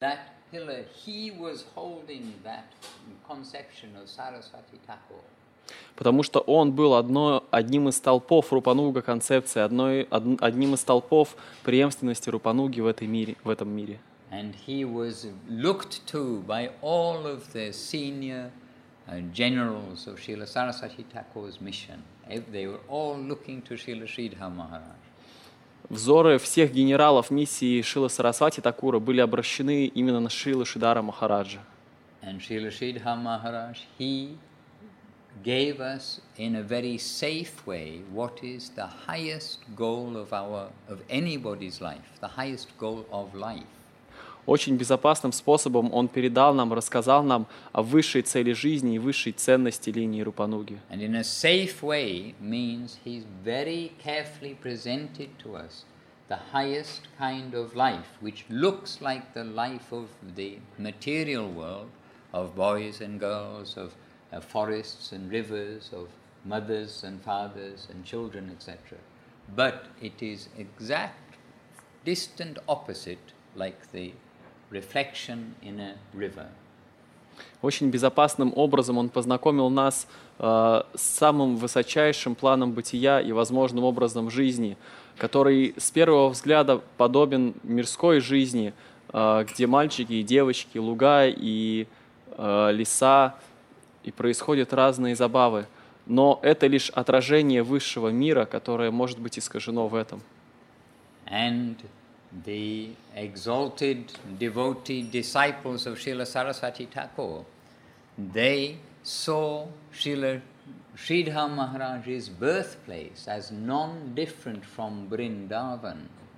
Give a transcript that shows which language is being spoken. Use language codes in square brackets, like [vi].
[en] That pillar, he was holding that conception of Sarasvati Thakur. [ru] Потому что он был одним из столпов Рупануга концепции, одним из столпов преемственности Рупануги в этом мире. [en] And he was looked to by all of the senior generals of Srila Sarasvati Thakur's mission. They were all looking to Srila Sridhar Maharaj. [ru] Взоры всех генералов миссии Шрила Сарасвати Такура были обращены именно на Шрилу Шридхара Махараджа. [en] And Srila Sridhar Maharaj, he gave us in a very safe way what is the highest goal of our of anybody's life, the highest goal of life. [ru] Очень безопасным способом он передал нам, рассказал нам о высшей цели жизни и высшей ценности линии Рупануги. [en] And in a safe way means he's very carefully presented to us the highest kind of life, which looks like the life of the material world, of boys and girls, of forests and rivers, of mothers and fathers and children, etc. But it is exact distant opposite, like the reflection in a river. [ru] Очень безопасным образом он познакомил нас с самым высочайшим планом бытия и возможным образом жизни, который с первого взгляда подобен мирской жизни, где мальчики и девочки, луга и леса, и происходят разные забавы. Но это лишь отражение высшего мира, которое может быть искажено в этом. [en] And the exalted devotee disciples of Srila Sarasvati Thakur, they saw Srila Sridhar Maharaj's birthplace as non-different from Vrindavan.